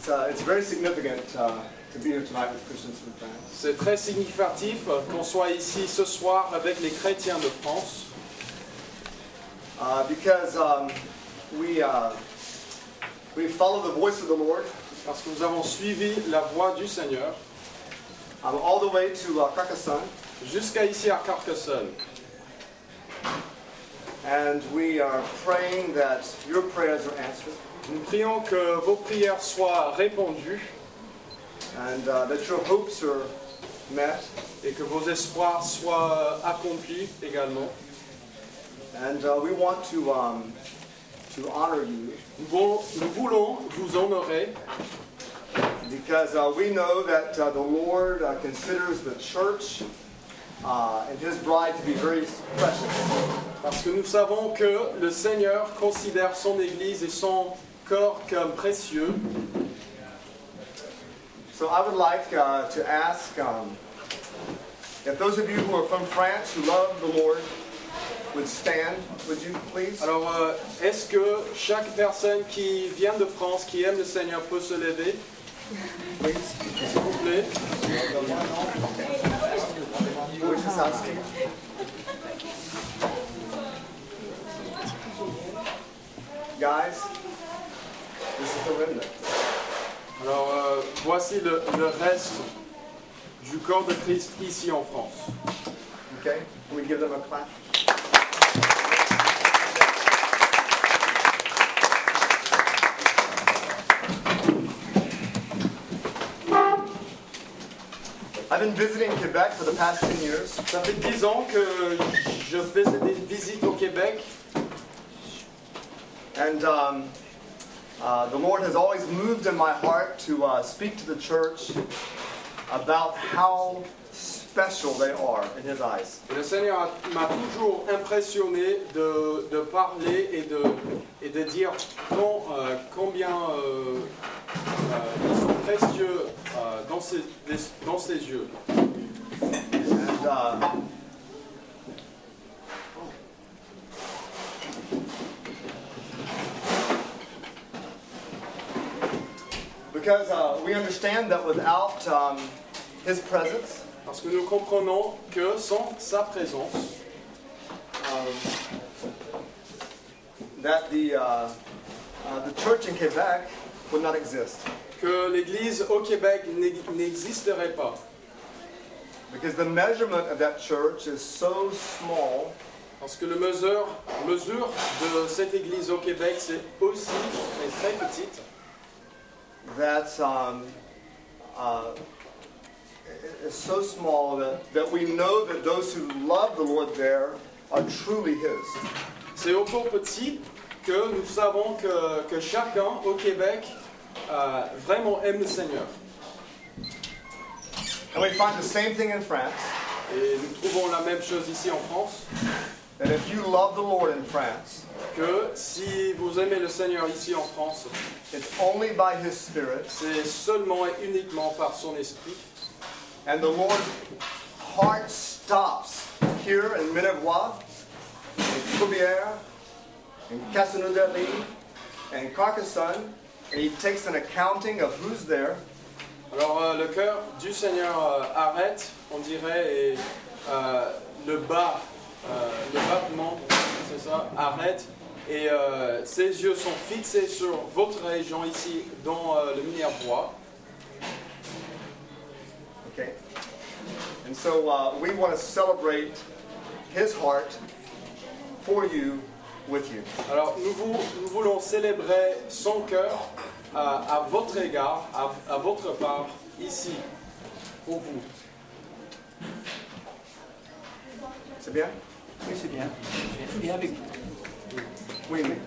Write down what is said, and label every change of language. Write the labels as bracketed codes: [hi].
[en] It's very significant to be here tonight with Christians from France. [fr] C'est très significatif qu'on soit ici ce soir avec les chrétiens de France. [en] Because we follow the voice of the Lord. [fr] Parce que nous avons suivi la voix du Seigneur. [en] All the way to Carcassonne. [fr] Jusqu'à ici à Carcassonne. [en] And we are praying that your prayers are answered. [fr] Nous prions que vos prières soient répondues. [en] And that your hopes are met. [fr] Et que vos espoirs soient accomplis également. [en] And we want to honor you. [fr] Nous voulons vous honorer. [en] Because we know that the Lord considers the church and his bride to be very precious. [fr] Parce que nous savons que le Seigneur considère son Église et son corps comme précieux. [en] So I would like to ask if those of you who are from France who love the Lord would stand, would you please? [fr] Alors, est-ce que chaque personne qui vient de France, qui aime le Seigneur, peut se lever? [en] Please, [fr] s'il vous plaît. [en] Guys, this is the remnant. [fr] Alors, voici le reste du corps de Christ ici en France. [en] Okay, we give them a clap. I've been visiting Quebec for the past 10 years. [fr] Ça fait 10 ans que je visit des visites au Québec. [en] And the Lord has always moved in my heart to speak to the church about how special they are in His eyes. [fr] Le Seigneur m'a toujours impressionné de parler et de dire combien ils sont précieux dans ses yeux. [en] And, because we understand that without His presence. [fr] Parce que nous comprenons que sans sa présence, [en] that the church in Quebec would not exist. [fr] Que l'église au Québec n'existerait pas. [en] Because the measurement of that church is so small. [fr] Parce que la mesure de cette église au Québec c'est aussi est très petite. [en] That it's so small that we know that those who love the Lord there are truly His. [fr] C'est autant petit que nous savons que chacun au Québec vraiment aime le Seigneur. [en] And we find the same thing in France. [fr] Et nous trouvons la même chose ici en France. [en] That if you love the Lord in France, [fr] que si vous aimez le Seigneur ici en France, [en] it's only by His Spirit. [fr] C'est seulement et uniquement par Son Esprit. [en] And the Lord's heart stops here in Minervois, in Coubières, in Castelnaudary, in Carcassonne, and He takes an accounting of who's there. [fr] Alors le cœur du Seigneur arrête, on dirait, et le battement, c'est ça, arrête, et ses yeux sont fixés sur votre région ici, dans le Minervois. [en] Okay. And so we want to celebrate His heart for you, with you. [fr] Alors nous voulons célébrer son cœur à votre égard, à votre part, ici, pour vous. C'est bien? Oui, c'est bien. Je suis avec vous. Oui, mais.